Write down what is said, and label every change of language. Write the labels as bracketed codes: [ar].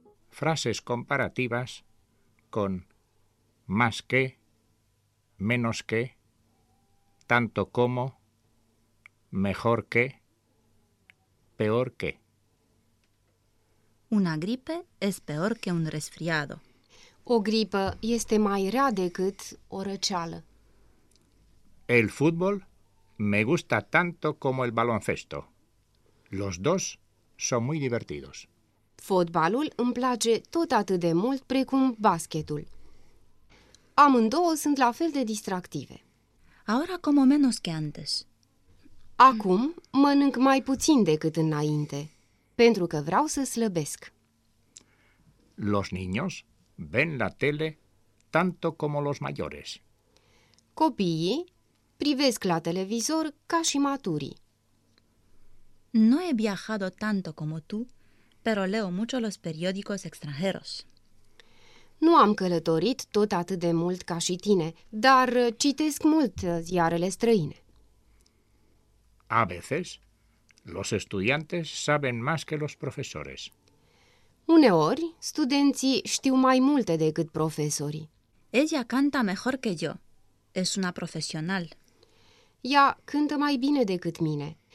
[es] Frases comparativas con más que, menos que, tanto como, mejor que, peor que. Una gripe es peor que un resfriado. [ro] O gripă este mai rea decât o răceală. [es] El fútbol me gusta tanto como el baloncesto. Los dos son muy divertidos. [ro] Fotbalul îmi place tot atât de mult precum basketul. Amândouă sunt la fel de distractive. [es] Ahora como menos que antes. [ro] Acum mănânc mai puțin decât înainte, pentru că vreau să slăbesc. [es] Los niños ven la tele tanto como los mayores. [ro] Copiii privesc la televizor ca și maturii. [es] No he viajado tanto como tú, pero leo mucho los periódicos extranjeros. [ro] Nu am călătorit tot atât de mult ca și tine, dar citesc mult ziarele străine. [es] A veces, los estudiantes saben más que los profesores. [ro] Uneori, studenții știu mai multe decât profesorii. [es] Ella canta mejor que yo. Es una profesional. [ro] Ea cântă mai bine decât mine.